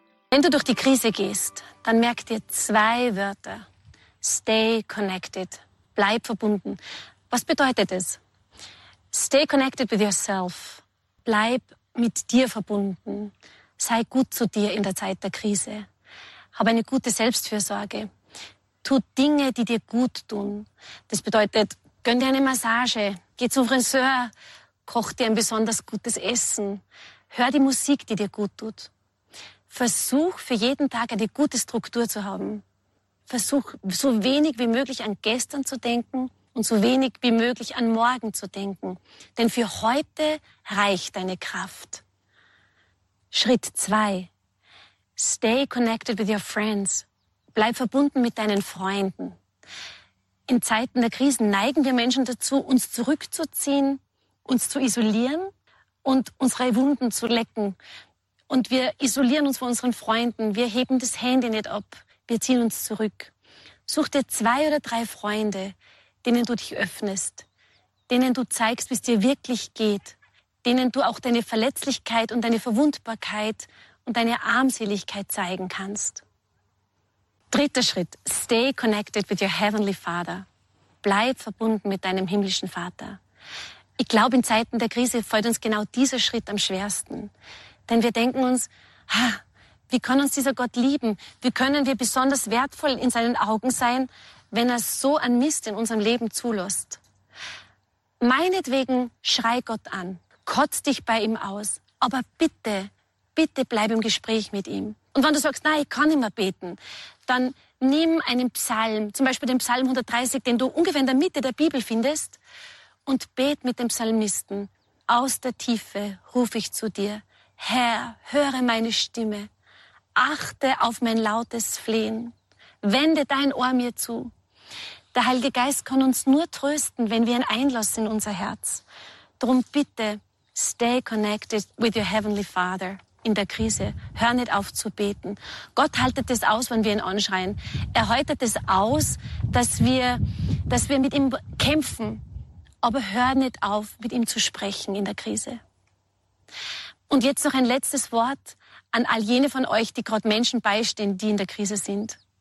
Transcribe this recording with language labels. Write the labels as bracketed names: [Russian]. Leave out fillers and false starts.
[German] Wenn du durch die Krise gehst, dann merk dir zwei Wörter. [English] Stay connected. [German] Bleib verbunden. Was bedeutet es? [English] Stay connected with yourself. [German] Bleib mit dir verbunden. Sei gut zu dir in der Zeit der Krise. Hab eine gute Selbstfürsorge. Tu Dinge, die dir gut tun. Das bedeutet, gönn dir eine Massage, geh zum Friseur, koch dir ein besonders gutes Essen, hör die Musik, die dir gut tut. Versuch für jeden Tag eine gute Struktur zu haben. Versuch so wenig wie möglich an gestern zu denken und so wenig wie möglich an morgen zu denken. Denn für heute reicht deine Kraft. Schritt 2. [English] Stay connected with your friends. [German] Bleib verbunden mit deinen Freunden. In Zeiten der Krisen neigen wir Menschen dazu, uns zurückzuziehen, uns zu isolieren und unsere Wunden zu lecken. Und wir isolieren uns von unseren Freunden. Wir heben das Handy nicht ab. Wir ziehen uns zurück. Such dir 2 oder 3 Freunde, denen du dich öffnest, denen du zeigst, wie es dir wirklich geht, denen du auch deine Verletzlichkeit und deine Verwundbarkeit und deine Armseligkeit zeigen kannst. 3. [English] Schritt, stay connected with your heavenly father. [German] Bleib verbunden mit deinem himmlischen Vater. Ich glaube, in Zeiten der Krise fällt uns genau dieser Schritt am schwersten. Denn wir denken uns, wie kann uns dieser Gott lieben? Wie können wir besonders wertvoll in seinen Augen sein, wenn er so einen Mist in unserem Leben zulässt? Meinetwegen schrei Gott an, kotz dich bei ihm aus, aber bitte, bitte bleib im Gespräch mit ihm. Und wenn du sagst, nein, ich kann nicht mehr beten, dann nimm einen Psalm, zum Beispiel den Psalm 130, den du ungefähr in der Mitte der Bibel findest, und bet mit dem Psalmisten. Aus der Tiefe rufe ich zu dir. Herr, höre meine Stimme. Achte auf mein lautes Flehen. Wende dein Ohr mir zu. Der Heilige Geist kann uns nur trösten, wenn wir ihn einlassen in unser Herz. [English] Drum bitte, stay connected with your heavenly Father. [German] In der Krise, hör nicht auf zu beten. Gott haltet es aus, wenn wir ihn anschreien. Er haltet es aus, dass wir mit ihm kämpfen. Aber hör nicht auf, mit ihm zu sprechen in der Krise. Und jetzt noch ein letztes Wort an all jene von euch, die gerade Menschen beistehen, die in der Krise sind.